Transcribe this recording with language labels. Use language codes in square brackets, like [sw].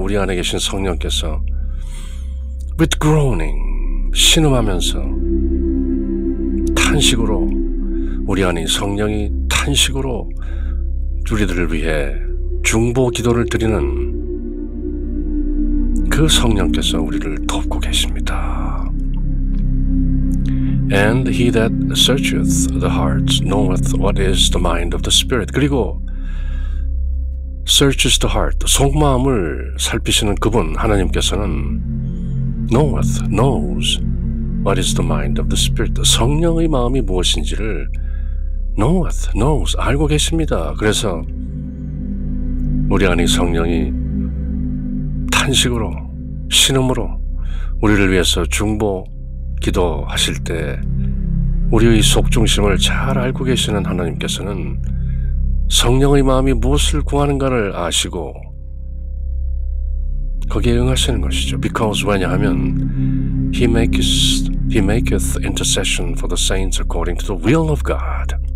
[ko] 우리 안에 계신 성령께서 [en] With groaning [ko] 신음하면서 탄식으로 우리 안에 성령이 탄식으로 우리들을 위해 중보 기도를 드리는 그 성령께서 우리를 돕고 계십니다. [en] And he that searcheth the hearts knoweth what is the mind of the spirit. [ko] 그리고 [en] searches the heart, [ko] 속마음을 살피시는 그분 하나님께서는 [en] knoweth, knows what is the mind of the spirit. [ko] 성령의 마음이 무엇인지를 [en] knoweth, knows, [ko] 알고 계십니다. 그래서 우리 안에 성령이 탄식으로, 신음으로 우리를 위해서 중보 기도하실 때 우리의 속중심을 잘 알고 계시는 하나님께서는 성령의 마음이 무엇을 구하는가를 아시고 거기에 응하시는 것이죠. [en] Because [ko] 왜냐하면 [en] He maketh intercession for the saints according to the will of God.